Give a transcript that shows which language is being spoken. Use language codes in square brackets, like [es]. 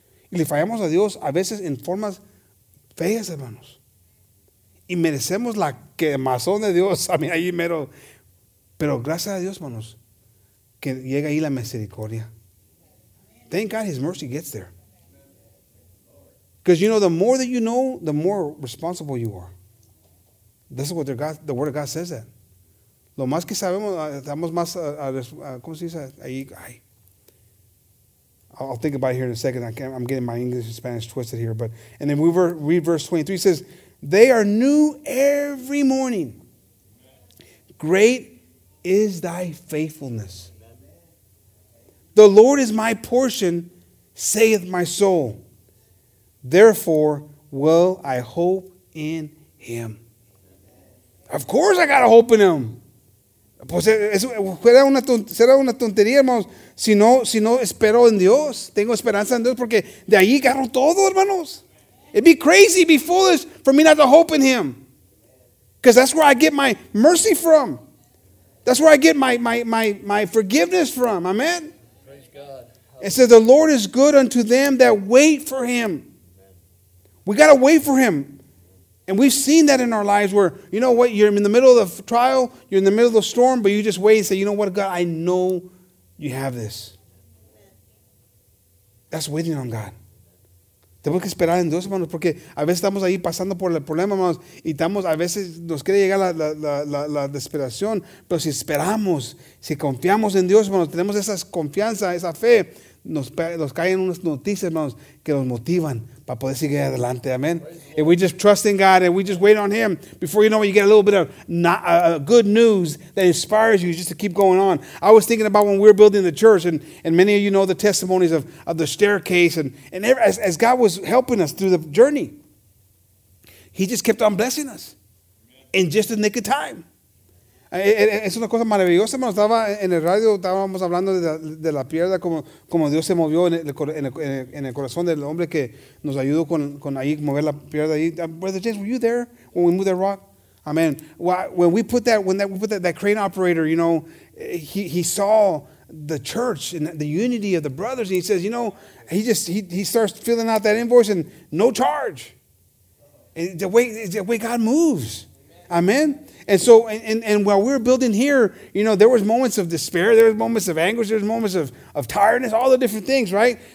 [es] Y le fallamos a Dios a veces en formas feas, hermanos. Y merecemos la quemazón de Dios. A mí ahí mero. Pero gracias a Dios, hermanos, que llega ahí la misericordia. [en] Thank God His mercy gets there. Because you know, the more that you know, the more responsible you are. This is what the Word of God says that. [es] Lo más que sabemos, estamos más, ¿cómo se dice? [en] I'll think about it here in a second. I'm getting my English and Spanish twisted here. But and then we read verse 23. It says, they are new every morning. Great is thy faithfulness. The Lord is my portion, saith my soul. Therefore, will I hope in Him. Of course I got to hope in Him. [es] Será una tontería, hermanos, si no espero en Dios. Tengo esperanza en Dios porque de ahí agarro todo, hermanos. [en] It'd be crazy, be foolish for me not to hope in Him. Because that's where I get my mercy from. That's where I get my forgiveness from. Amen. Praise God. It says, the Lord is good unto them that wait for Him. We got to wait for Him. And we've seen that in our lives where, you know what, you're in the middle of the trial, you're in the middle of the storm, but you just wait and say, you know what, God, I know you have this. That's waiting on God. [es] Tenemos que esperar en Dios, hermanos, porque a veces estamos ahí pasando por el problema, hermanos, y estamos, a veces nos quiere llegar la desesperación, pero si esperamos, si confiamos en Dios, hermanos, tenemos esa confianza, esa fe, nos caen unas noticias, hermanos, que nos motivan para poder seguir adelante. Amen. [en] If we just trust in God and we just wait on Him, before you know it, you get a little bit of good news that inspires you just to keep going on. I was thinking about when we were building the church, and many of you know the testimonies of the staircase, and as God was helping us through the journey, He just kept on blessing us in just the nick of time. [es] Es una cosa maravillosa, hermano. Estaba en el radio, estábamos hablando de la piedra, como Dios se movió en el corazón del hombre que nos ayudó con ahí mover la piedra ahí. [en] Brother James, were you there when we moved that rock? Amen. When we put that crane operator, you know, he saw the church and the unity of the brothers, and he says, you know, he starts filling out that invoice and no charge. And the way God moves. Amen. And so, and while we were building here, you know, there was moments of despair, there was moments of anguish, there was moments of tiredness, all the different things, right?